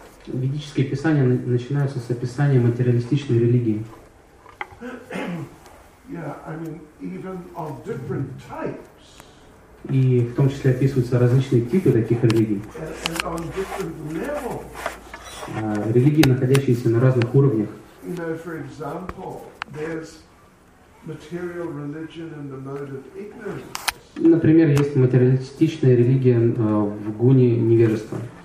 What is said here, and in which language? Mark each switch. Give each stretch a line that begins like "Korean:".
Russian: Ведические писания начинаются с описания материалистичной религии.
English: Yeah, I mean, even of different types.
Russian: И в том числе описываются различные типы таких религий.
English: And on different levels.
Russian: Религии, находящиеся на разных уровнях.
English: You know, for example, there's material religion in the mode of ignorance.
Russian: Например, есть материалистичная религия в гуне невежества.